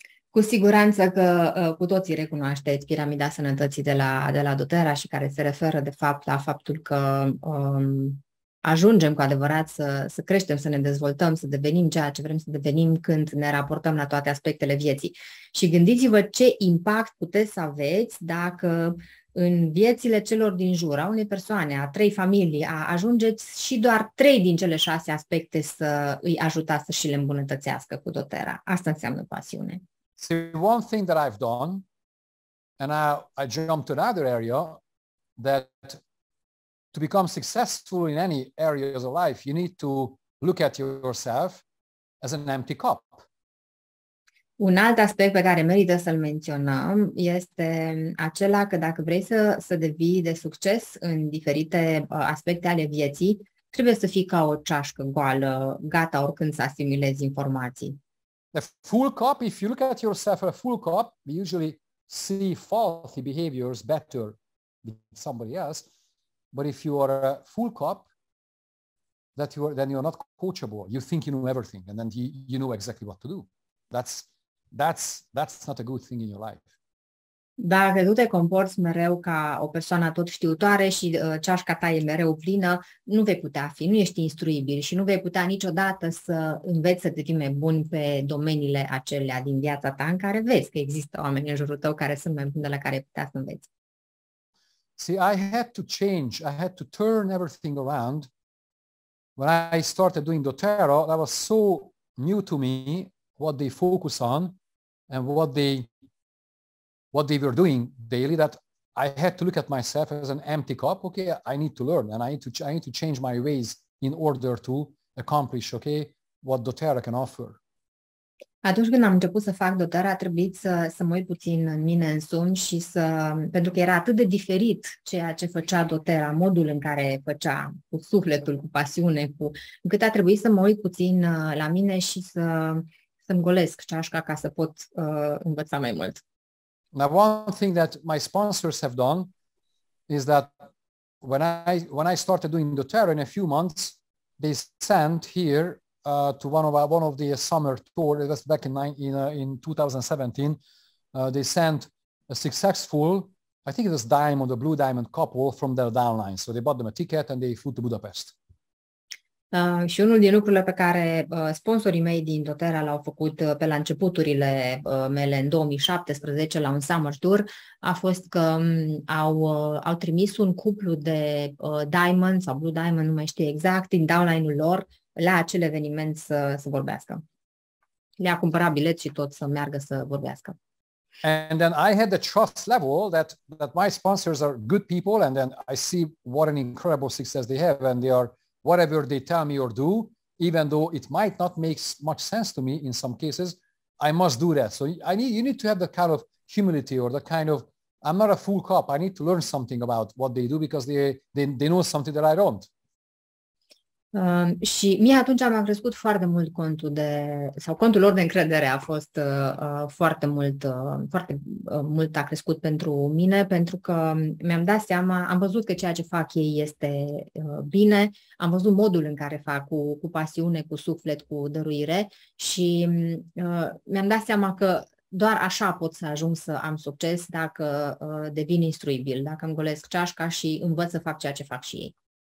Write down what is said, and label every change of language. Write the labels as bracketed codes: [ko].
[ro] Cu siguranță că cu toții recunoașteți piramida sănătății de la Doterra și care se referă de fapt la faptul că ajungem cu adevărat să creștem, să ne dezvoltăm, să devenim ceea ce vrem să devenim când ne raportăm la toate aspectele vieții. Și gândiți-vă ce impact puteți să aveți dacă în viețile celor din jur, a unei persoane, a trei familii, ajungeți și doar trei din cele șase aspecte să îi ajutați să și le îmbunătățească cu Doterra. Asta înseamnă pasiune. [en] So one thing that I've done, and I jump to another area, that to become successful in any areas of life, you need to look at yourself as an empty cup. [ro] Un alt aspect pe care merită să-l menționăm este acela că dacă vrei să devii de succes în diferite aspecte ale vieții, trebuie să fii ca o ceașcă goală, gata oricând să asimilezi informații. [en] A full cup, if you look at yourself a full cup, we usually see faulty behaviors better than somebody else. But if you are a full cup, then you are not coachable. You think you know everything and then you know exactly what to do. That's not a good thing in your life. [ro] Dacă tu te comporți mereu ca o persoană tot știutoare și ceașca ta e mereu plină, nu vei putea fi, nu ești instruibil și nu vei putea niciodată să înveți să te fii mai bun pe domeniile acelea din viața ta în care vezi că există oameni în jurul tău care sunt mai buni de la care puteai să înveți. [en] See, I had to change, I had to turn everything around. When I started doing doTERRA, that was so new to me, what they focus on and what they were doing daily, that I had to look at myself as an empty cup. Okay, I need to learn and I need to change my ways in order to accomplish, okay, what doTERRA can offer. [ro] Atunci când am început să fac doTERRA, a trebuit să mă uit puțin în mine însumi și să, pentru că era atât de diferit ceea ce făcea doTERRA, modul în care făcea, cu sufletul, cu pasiune, încât a trebuit să mă uit puțin la mine și să-mi golesc ceașca ca să pot învăța mai mult. [en] Now, one thing that my sponsors have done is that when I started doing doTERRA in a few months, they sent here to one of the summer tours, that's back in 2017, they sent a successful, I think it was diamond, a blue diamond couple from their downline. So they bought them a ticket and they flew to Budapest. [ro] Și unul din lucrurile pe care sponsorii mei din doTERRA l-au făcut pe la începuturile mele în 2017 la un summer tour a fost că au trimis un cuplu de diamond sau blue diamond, nu mai știu exact, din downline-ul lor la acel eveniment să vorbească. Le-a cumpărat bilet și tot să meargă să vorbească. [en] And then I had the trust level that my sponsors are good people, and then I see what an incredible success they have, and they are whatever they tell me or do, even though it might not make much sense to me in some cases, I must do that. So you need to have the kind of humility or the kind of, I'm not a full cop. I need to learn something about what they do because they know something that I don't. [ro] Și mie atunci am crescut foarte mult contul de, sau contul lor de încredere a fost foarte mult, foarte mult a crescut pentru mine, pentru că mi-am dat seama, am văzut că ceea ce fac ei este bine, am văzut modul în care fac cu pasiune, cu suflet, cu dăruire și mi-am dat seama că doar așa pot să ajung să am succes dacă devin instruibil, dacă îmi golesc ceașca și învăț să fac ceea ce fac și ei.